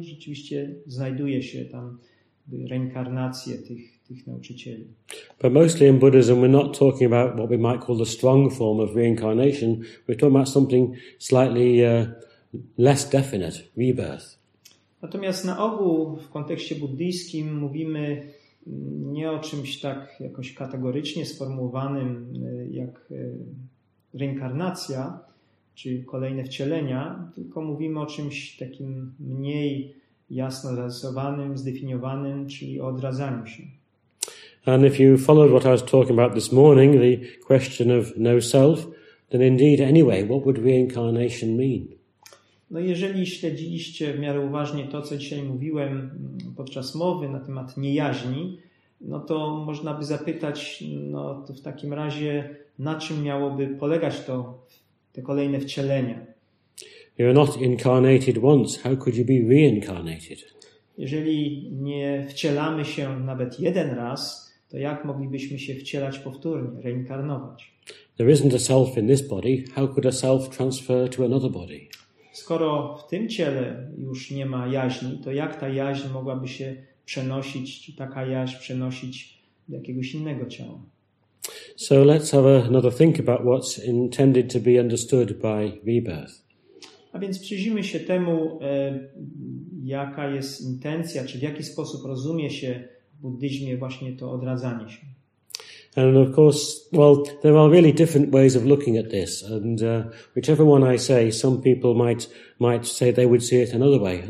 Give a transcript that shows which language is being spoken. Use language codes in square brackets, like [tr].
[pl] Rzeczywiście znajduje się tam reinkarnację tych nauczycieli. [en] But mostly in Buddhism we're not talking about what we might call the strong form of reincarnation, we're talking about something slightly less definite, rebirth. [pl] Natomiast na ogół w kontekście buddyjskim mówimy nie o czymś tak jakoś kategorycznie sformułowanym jak reinkarnacja, czy kolejne wcielenia, tylko mówimy o czymś takim mniej jasno zarysowanym, zdefiniowanym, czyli o odradzaniu się. [en] And if you followed what I was talking about this morning, the question of no self, then indeed, anyway, what would reincarnation mean? [pl] No, jeżeli śledziliście w miarę uważnie to, co dzisiaj mówiłem podczas mowy na temat niejaźni, no to można by zapytać, no to w takim razie, na czym miałoby polegać to, te kolejne wcielenia? [en] You're not incarnated once, how could you be reincarnated? [pl] Jeżeli nie wcielamy się nawet jeden raz, to jak moglibyśmy się wcielać powtórnie, reinkarnować? [en] There isn't a self in this body, how could a self transfer to another body? [pl] Skoro w tym ciele już nie ma jaźni, to jak ta jaźń mogłaby się przenosić, czy taka jaźń przenosić do jakiegoś innego ciała? [en] So let's have another think about what's intended to be understood by rebirth. [pl] A więc przyjrzyjmy się temu, jaka jest intencja, czy w jaki sposób rozumie się w buddyzmie właśnie to odradzanie się. [en] And of course, well, there are really different ways of looking at this. And whichever one I say, some people might say they would see it another way.